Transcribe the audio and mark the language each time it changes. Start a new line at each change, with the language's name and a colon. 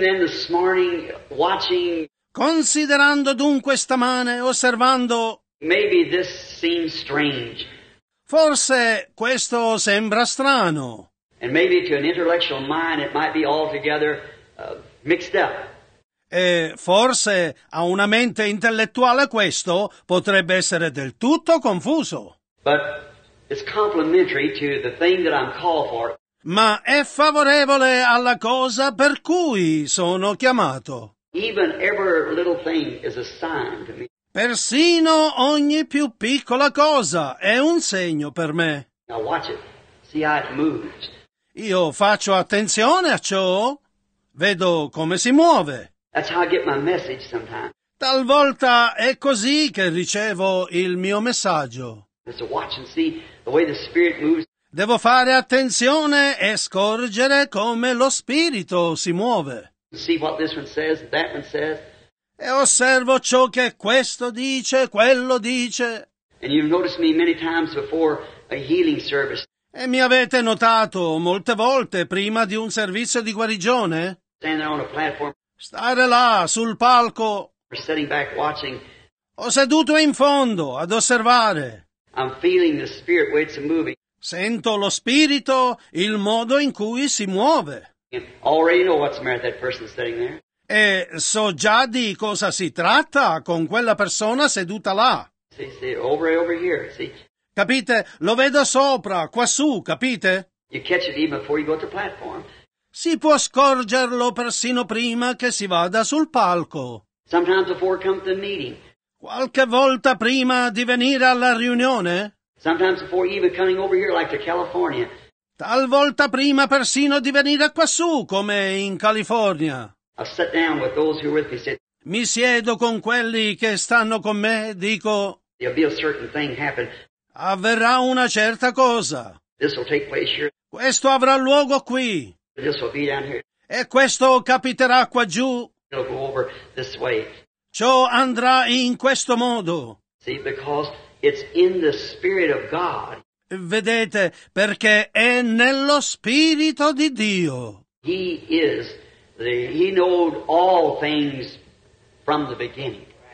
English: them this morning, watching,
Italian: considerando dunque stamane, osservando,
English: maybe this seems strange.
Italian: Forse questo sembra strano.
English: And maybe to an intellectual mind it might be altogether mixed up.
Italian: E forse a una mente intellettuale questo potrebbe essere del tutto confuso.
English: But it's complementary to the thing that I'm called for.
Italian: Ma è favorevole alla cosa per cui sono chiamato.
English: Even every little thing is a sign to me.
Italian: Persino ogni più piccola cosa è un segno per me.
English: Now watch it. See how it moves.
Italian: Io faccio attenzione a ciò. Vedo come si muove.
English: That's how I get my message sometimes.
Italian: Talvolta è così che ricevo il mio messaggio.
English: So watch and see the way the Spirit moves.
Italian: Devo fare attenzione e scorgere come lo Spirito si muove.
English: See what this one says, that one says.
Italian: E osservo ciò che questo dice, quello dice.
English: And you've noticed me many times before a healing service.
Italian: E mi avete notato molte volte prima di un servizio di guarigione.
English: Stand there on a platform.
Italian: Stare là, sul palco.
English: Or sitting back watching.
Italian: Ho seduto in fondo, ad osservare.
English: I'm feeling the spirit, where it's moving.
Italian: Sento lo spirito, il modo in cui si muove.
English: And already know what's the matter with that person sitting there.
Italian: E so già di cosa si tratta con quella persona seduta là.
English: See, over and over here, see.
Italian: Capite? Lo vedo sopra, quassù, capite?
English: You catch it even before you go to the platform.
Italian: Si può scorgerlo persino prima che si vada sul palco.
English: Sometimes before comes the meeting.
Italian: Qualche volta prima di venire alla riunione.
English: Sometimes before even coming over here like to California.
Italian: Talvolta prima persino di venire quassù come in California.
English: I sit down with those who are with me. Sit.
Italian: Mi siedo con quelli che stanno con me, dico.
English: There'll be a certain thing happen.
Italian: Avverrà una certa cosa.
English: This will take place here.
Italian: Questo avrà luogo qui.
English: This will be down here.
Italian: E questo capiterà qua giù.
English: It'll go over this way.
Italian: Ciò andrà in questo modo.
English: See, because it's in the Spirit of God.
Italian: Vedete, perché è nello Spirito di Dio.
English: He is. He knew all things from the beginning.